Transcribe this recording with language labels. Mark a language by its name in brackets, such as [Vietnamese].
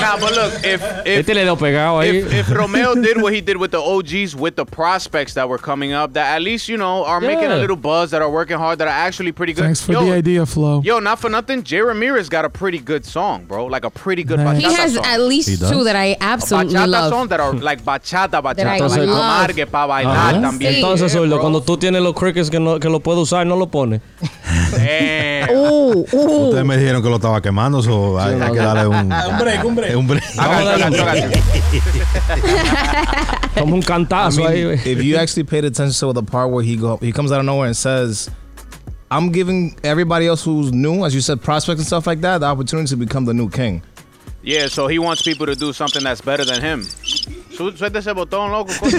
[English] Nah, but look, if Romeo did what he did with the OGs, with the prospects that were coming up, that at least, you know, are making a little buzz, that are working hard, that are actually pretty good. Thanks for the idea, Flo. Yo, not for nothing, Jay Ramirez got a pretty good song, bro. Like, a pretty good bachata song. He has at least two that I absolutely love. Bachata song that are like bachata. Like, [Spanish] amargue pa bailar también. Entonces, Zurdo, cuando tú tienes los crickets que lo puedo usar, no lo pone. Ustedes me dijeron que lo estaba quemando, o hay que darle un break. Como un cantazo. [English] If you actually paid attention to the part where he comes out of nowhere and says, I'm giving everybody else who's new, as you said, prospects and stuff like that, the opportunity to become the new king. Yeah, so he wants people to do something that's better than him. [Spanish] Suelta ese botón, loco.